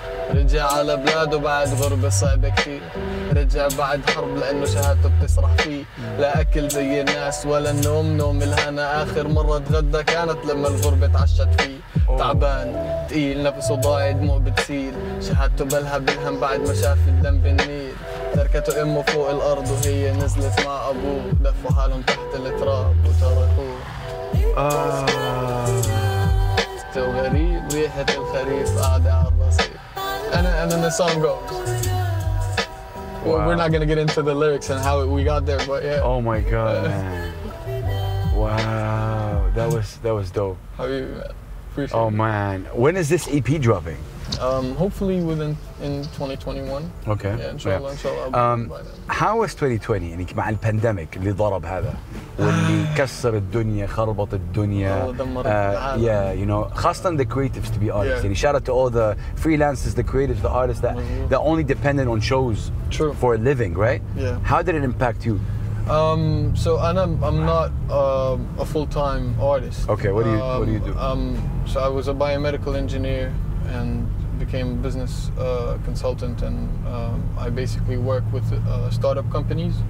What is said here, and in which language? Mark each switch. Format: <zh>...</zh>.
<ar>رجع على بلاده بعد غربة صعبة كتير رجع بعد حرب لأنه شهادته بتصرح فيه لا أكل زي الناس ولا النوم نوم الهنا آخر مرة تغدى كانت لما الغربة تعشت فيه تعبان تقيل نفسه ضايع دموع بتسيل شهادته بلها بالهم بعد ما شاف الدم بالنيل تركت سمعت أمه فوق الأرض وهي نزلت مع أبوه لفوا حالهم تحت التراب وتركوه غريب ريحة الخريف قاعدة على الرصيف</ar> <en>and then the song goes. Wow. Well, we're not gonna get into the lyrics and how we got there, but yeah. Oh my God, man. Wow, that was dope. How are you, man? Appreciate it. Oh man, when is this EP dropping? Hopefully within in 2021. Okay. Yeah, inshallah, yeah. How was 2020?</en> <ar>يعني مع البانديميك اللي ضرب هذا واللي كسر الدنيا خربط الدنيا.</ar> <en>Yeah, you know,</en> <ar>خاصة</ar> <en>the creatives to be honest. Yeah. يعني shout out to all the freelancers, the creatives, the artists that they're only dependent on shows for a living, right? Yeah. How did it impact you? So I'm not a full-time artist. Okay. What do you do? So I was a biomedical engineer and became a business consultant, and I basically work with startup companies.</en>